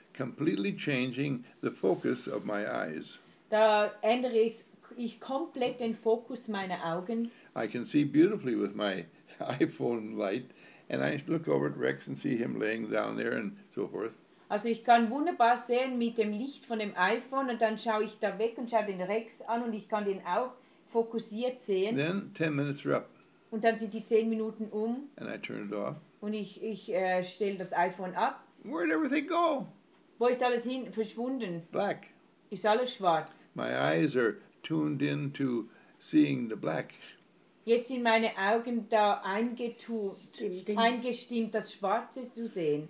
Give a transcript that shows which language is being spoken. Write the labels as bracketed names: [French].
[English] Completely changing the focus of my eyes. [German] Da ändere ich komplett den Fokus meiner Augen. [English] I can see beautifully with my iPhone light, and I look over at Rex and see him laying down there and so forth. [German] Also ich kann wunderbar sehen mit dem Licht von dem iPhone, und dann schaue ich da weg und schaue den Rex an, und ich kann den auch fokussiert sehen. [English] Then 10 minutes are up. [German] Und dann sind die 10 Minuten um. [English] And I turn it off. [German] Und ich stelle das iPhone ab. [English] Where'd everything go? [German] Wo ist alles hin verschwunden? [English] Black. [German] Ist alles schwarz. [English] My eyes are tuned in to seeing the black. [German] Jetzt sind meine Augen da eingestimmt, das Schwarze zu sehen.